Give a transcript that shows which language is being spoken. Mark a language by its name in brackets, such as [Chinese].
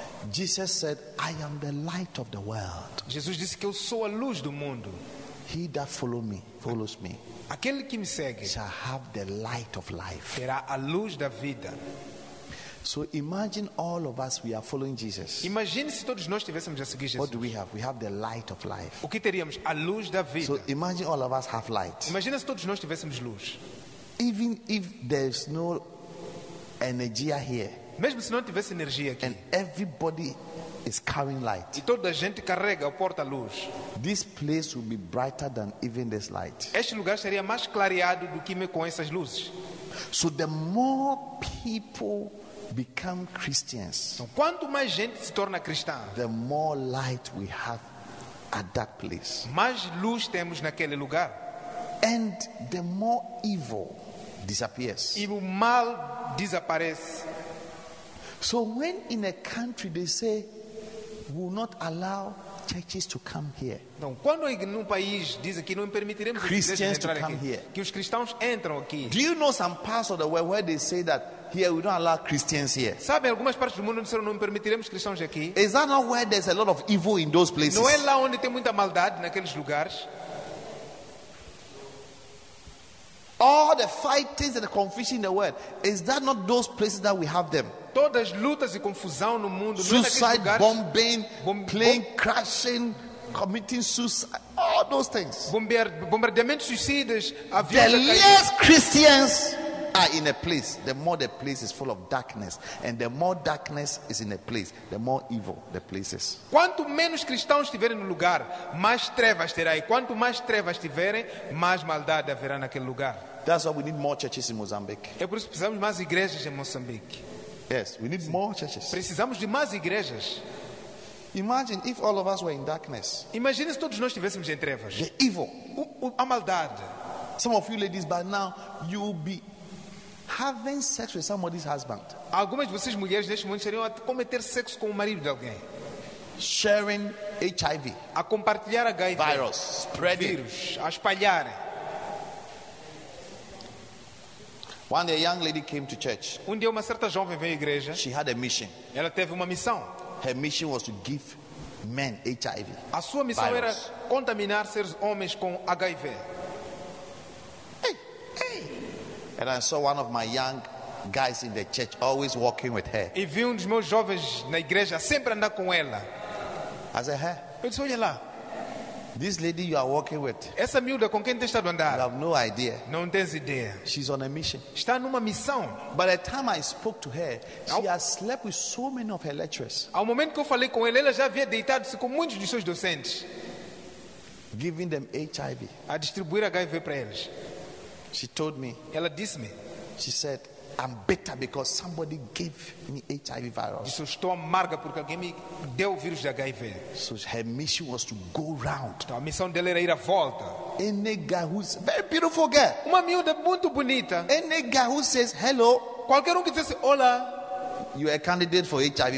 [English] Jesus said, "I am the light of the world." [Portuguese] Jesus disse que eu sou a luz do mundo. [English] He that follows me. [Portuguese] Aquele que me segue. [English] Shall have the light of life. [Portuguese] Terá a luz da vida. [English] So imagine all of us, we are following Jesus. [Portuguese] Imagine se todos nós estivéssemos a seguir Jesus. [English] What do we have? We have the light of life. [Portuguese] O que teríamos? A luz da vida. [English] So imagine all of us have light. [Portuguese] Imagina se todos nós tivéssemos luz. [English] Even if there's no energy here. [Portuguese] Mesmo se não tivesse energia aqui. [English] And everybody is carrying light. [Portuguese] E toda a gente carrega ou porta luz. [English] This place will be brighter than even this light. [Portuguese] Este lugar seria mais clareado do que com essas luzes. [English] So the more people become Christians. [Portuguese] Então, quanto mais gente se torna cristã, [English] the more light we have at that place. [Portuguese] Mais luz temos naquele lugar. [English] And the more evil disappears. [Portuguese] E o mal desaparece. [English] So when in a country they say will not allow churches to come here. [Portuguese] Então, quando num país dizem que não permitiremos [English] Christians to come [Portuguese] aqui, [English] here. [Portuguese] Que os cristãos entram aqui. [English] Do you know some parts of the world where they say that here we don't allow Christians here? [Portuguese] Sabe algumas partes do mundo onde não permitiremos cristãos aqui? [English] Is that not where there's a lot of evil in those places? [Portuguese] Não é lá onde tem muita maldade naqueles lugares? [English] All the fightings and the confusion in the world, is that not those places that we have them? [Portuguese] Todas as lutas e confusão no mundo, [English] suicide, [Portuguese] lugares, [English] bombing, plane crashing, committing suicide, all those things. [Portuguese] Bombardeamentos, suicídios, aviões. [English] The less Christians are in a place, the more the place is full of darkness. And the more darkness is in a place, the more evil the place is. [Portuguese] Quanto menos cristãos estiverem no lugar, mais trevas terá. E quanto mais trevas tiverem, mais maldade haverá naquele lugar. [English] That's why we need more churches in Mozambique. [Portuguese] É por isso que precisamos de mais igrejas em Moçambique. [English] Yes, we need more churches. [Portuguese] Precisamos de mais igrejas. [English] Imagine if all of us were in darkness. [Portuguese] Imagine se todos nós estivéssemos em trevas. [English] The evil, [Portuguese] a maldade. [English] Some of you ladies, by now you will be having sex with somebody's husband. [Portuguese] Algumas de vocês mulheres neste momento seriam a cometer sexo com o marido de alguém. [English] Sharing HIV. [Portuguese] A compartilhar HIV. [English] Virus. Spreading. [Portuguese] Vírus. A espalhar. [English] One day a young lady came to church. [Portuguese] Um dia uma certa jovem veio à igreja. [English] She had a mission. [Portuguese] Ela teve uma missão. [English] Her mission was to give men HIV. [Portuguese] A sua missão [English] virus. [Portuguese] Era contaminar seres homens com HIV. [English] And I saw one of my young guys in the church always walking with her. [Portuguese] E vi um dos meus jovens na igreja sempre andar com ela. [English] I said, hey, [Portuguese] eu disse, olha lá. [English] This lady you are walking with. [Portuguese] Essa miúda com quem tens estado a andar. [English] You have no idea. [Portuguese] Não tens ideia. [English] She's on a mission. [Portuguese] Está numa missão. [English] By the time I spoke to her, she has slept with so many of her lecturers. [Portuguese] Ao momento que eu falei com ela, ela já havia deitado-se com muitos dos seus docentes. [English] Giving them HIV. [Portuguese] A distribuir HIV para eles. [English] She told me. [Portuguese] Ela disse-me. [English] She said, I'm bitter because somebody gave me HIV virus. [Portuguese] Disse, estou amarga porque alguém me deu o vírus de HIV. [English] So her mission was to go round. [Portuguese] Então, a missão dela era ir à volta. [English] Any guy who's very beautiful girl. [Portuguese] Uma miúda muito bonita. [English] Any guy who says hello. [Portuguese] Qualquer um que dissesse olá. [English] You are a candidate for HIV